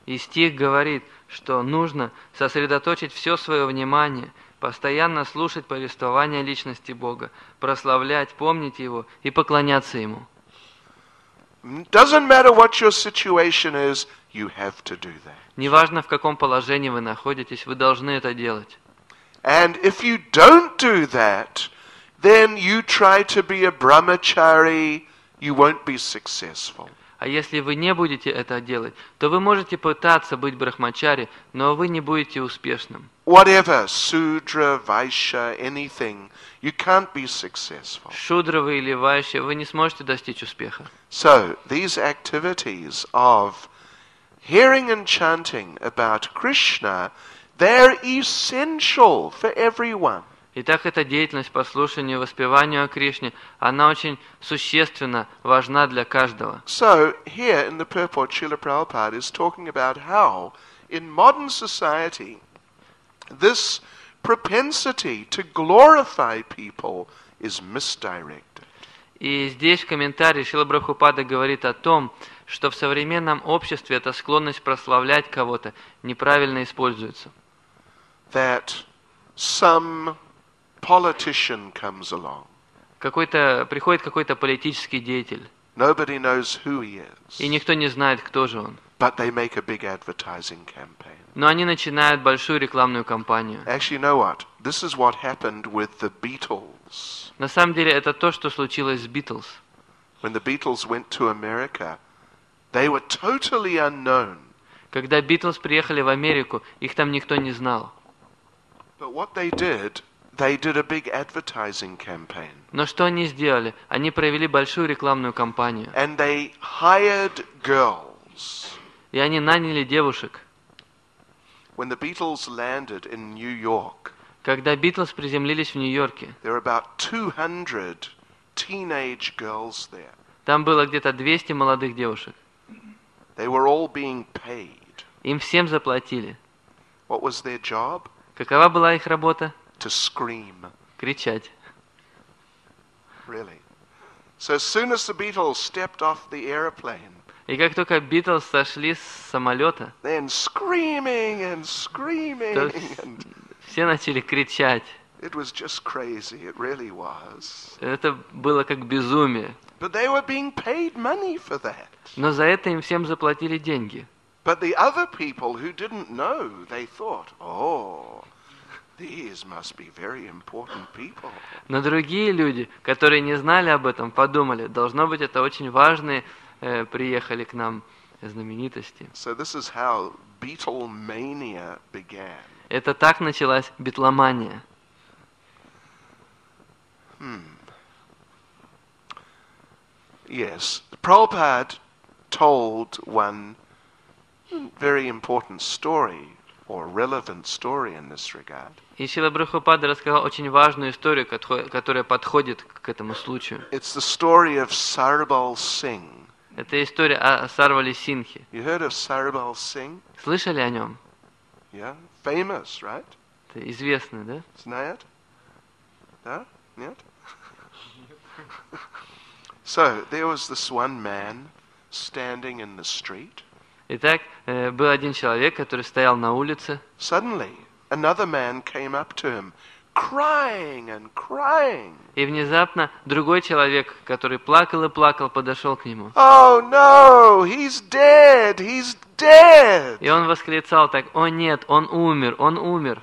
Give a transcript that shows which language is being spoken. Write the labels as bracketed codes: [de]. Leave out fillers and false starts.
[ru] И стих говорит, что нужно сосредоточить все свое внимание, постоянно слушать повествование личности Бога, прославлять, помнить Его и поклоняться Ему. [en] Doesn't matter what your situation is, you have to do that. [ru] Неважно, в каком положении вы находитесь, вы должны это делать. [en] And if you don't do that, then you try to be a brahmachari, you won't be successful. [ru] А если вы не будете это делать, то вы можете пытаться быть брахмачари, но вы не будете успешным. [en] Whatever, sudra, vaishya, anything, you can't be successful. [ru] Шудра вы или вайшья, вы не сможете достичь успеха. [en] So, these activities of hearing and chanting about Krishna, they're essential for everyone. [ru] Итак, эта деятельность по слушанию и воспеванию о Кришне, она очень существенна, важна для каждого. [en] So, here in the purport, Srila Prabhupada is talking about how in modern society this propensity to glorify people is misdirected. [ru] И здесь в комментарии Шрила Прабхупада говорит о том, что в современном обществе эта склонность прославлять кого-то неправильно используется. [en] That some politician comes along. [ru] Какой-то приходит какой-то политический деятель. [en] Nobody knows who he is. [ru] И никто не знает, кто же он. [en] But they make a big advertising campaign. [ru] Но они начинают большую рекламную кампанию. [en] Actually, you know what? This is what happened with the Beatles. [ru] На самом деле, это то, что случилось с Beatles. [en] When the Beatles went to America, they were totally unknown. [ru] Когда Beatles приехали в Америку, их там никто не знал. [en] But what they did, they did a big advertising campaign. [ru] Но что они сделали? Они провели большую рекламную кампанию. [en] And they hired girls. [ru] И они наняли девушек. [en] When the Beatles landed in New York. [ru] Когда Beatles приземлились в Нью-Йорке. [en] There were about 200 teenage girls there. [ru] Там было где-то 200 молодых девушек. [en] They were all being paid. [ru] Им всем заплатили. [en] What was their job? [ru] Какова была их работа? [en] To scream. [ru] Кричать. [en] Really? So as soon as the Beatles stepped off the airplane. [ru] И как только Beatles сошли с самолета. [en] Then screaming and screaming. [ru] Все начали кричать. [en] It was just crazy. It really was. [ru] Это было как безумие. [en] But they were being paid money for that. [ru] Но за это им всем заплатили деньги. [en] But the other people who didn't know, they thought, oh. These must be very important people. [ru] Но другие люди, которые не знали об этом, подумали, должно быть, это очень важные приехали к нам знаменитости. [en] So this is how Beatlemania began. [ru] Это так началась Битломания. [en] Yes, Prabhupada told one very important story. Or relevant story in this regard. [ru] И Шрила Прабхупада рассказал очень важную историю, которая подходит к этому случаю. [en] It's the story of Sarbal Singh. [ru] Это история о Сарвале Сингхе. [en] You heard of Sarbal Singh? [ru] Слышали о нем? [en] Yeah, famous, right? [ru] Это известный, да? Знает? Да? Нет? [en] So there was this one man standing in the street. [ru] Итак, был один человек, который стоял на улице. [en] Suddenly, another man came up to him, crying and crying. [ru] И внезапно другой человек, который плакал и плакал, подошел к нему. [en] Oh, no, he's dead, he's dead. [ru] И он восклицал так, о нет, он умер, он умер.